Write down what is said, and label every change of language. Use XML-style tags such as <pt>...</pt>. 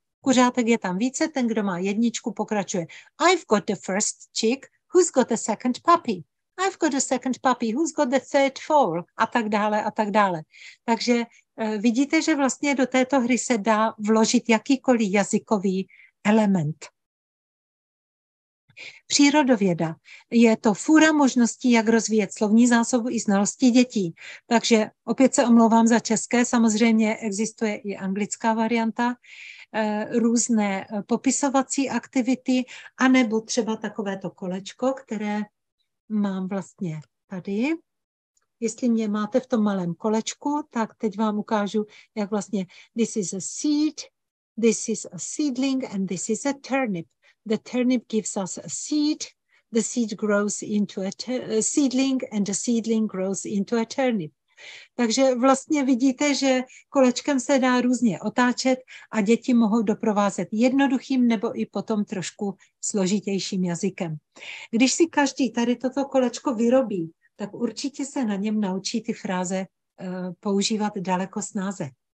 <cs>Kuřátek je tam více, ten, kdo má jedničku, pokračuje.</cs> <en>I've got the first chick. Who's got the second puppy? I've got the second puppy. Who's got the third fowl?</en> <cs>A tak dále, a tak dále. Takže vidíte, že vlastně do této hry se dá vložit jakýkoliv jazykový element. Přírodověda. Je to fůra možností, jak rozvíjet slovní zásobu i znalosti dětí. Takže opět se omlouvám za české, samozřejmě existuje i anglická varianta. Různé popisovací aktivity, anebo třeba takovéto kolečko, které mám vlastně tady. Jestli mě máte v tom malém kolečku, tak teď vám ukážu, jak vlastně</cs> <en>this is a seed, this is a seedling and this is a turnip. The turnip gives us a seed, the seed grows into a seedling and the seedling grows into a turnip.</en> <cs>Takže vlastně vidíte, že kolečkem se dá různě otáčet a děti mohou doprovázet jednoduchým nebo i potom trošku složitějším jazykem. Když si každý tady toto kolečko vyrobí, tak určitě se na něm naučí ty fráze používat daleko snáze.</cs>